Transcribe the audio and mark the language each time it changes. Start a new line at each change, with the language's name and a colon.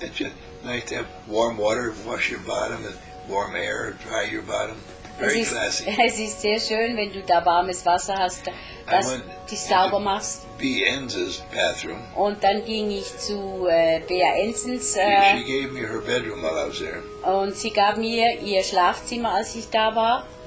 English: It's just nice to have warm water, wash your bottom, and warm air, dry your bottom. Very classy.
German: Es ist sehr schön, wenn du da warmes Wasser hast, das dich sauber machst.
English: B. Enzes bathroom.
German: Und dann ging ich zu Bea Enzens.
English: She gave me her bedroom while I was there.
German: Und sie gab mir ihr Schlafzimmer, als ich da war.